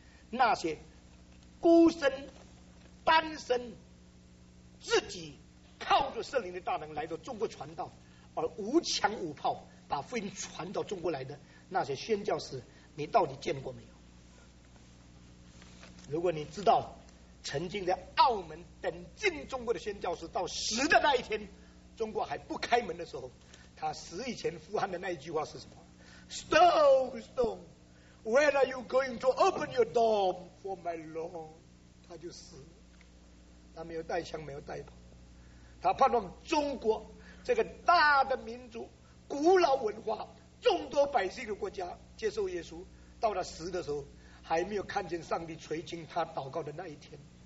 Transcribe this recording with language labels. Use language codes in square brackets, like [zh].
[zh] 那些孤身单身自己靠着圣灵的大能来到中国传道，而无枪无炮把福音传到中国来的那些宣教士，你到底见过没有？如果你知道曾经在澳门等进中国的宣教士到死的那一天，中国还不开门的时候，他死以前呼喊的那一句话是什么？ [en] Stone, Stone, when are you going to open your door for my Lord? [zh] 他就死了，他没有带枪，没有带炮。他盼望中国这个大的民族、古老文化、众多百姓的国家接受耶稣，到了死的时候还没有看见上帝垂听他祷告的那一天。